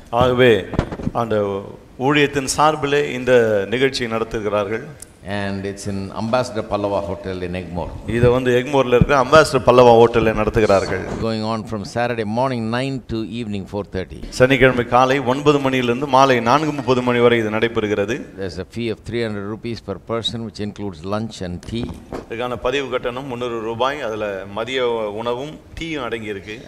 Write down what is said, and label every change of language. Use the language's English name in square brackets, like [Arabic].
[Tamil] ஆகவே அந்த ஊழியத்தின் சார்பிலே இந்த நிகழ்ச்சியை நடத்துகிறார்கள். [English] And it's in Ambassador Pallava Hotel in Egmore. [Tamil] இது வந்து எக்மோர்ல இருக்க அம்பாசடர் பல்லவா ஹோட்டல்ல நடத்துகிறார்கள். [English] Going on from Saturday morning 9 to evening 4:30. [Tamil] சனிக்கிழமை காலை 9 மணியிலிருந்து மாலை 4:30 மணி வரை இது நடைபெறுகிறது. [English] There's a fee of 300 rupees per person, which includes lunch and tea. [Tamil] இதற்கான பதிவு கட்டணம் 300 ரூபாய், அதுல மதிய உணவும் டீயும் அடங்கி இருக்கு.